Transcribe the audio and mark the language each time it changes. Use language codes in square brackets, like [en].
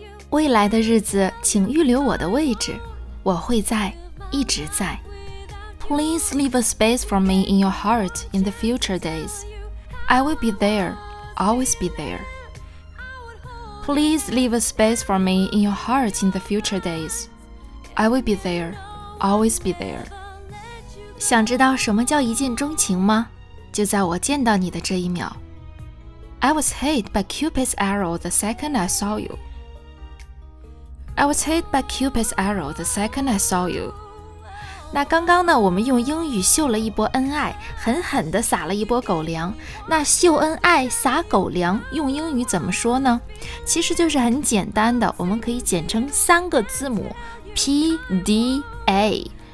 [zh] 未来的日子请预留我的位置，我会在，一直在。 [en] Please leave a space for me in your heart in the future days. I will be there, always be there. Please leave a space for me in your heart in the future days. I will be there, always be there. [zh] 想知道什么叫一见钟情吗？就在我见到你的这一秒。 [en] I was hit by Cupid's arrow the second I saw youI was hit by Cupid's arrow the second I saw you. [zh] 那刚刚呢，我们用英语秀了一波恩爱，狠狠地撒了一波狗粮。那秀恩爱撒狗粮用英语怎么说呢？其实就是很简单的，我们可以简称三个字母 PDA。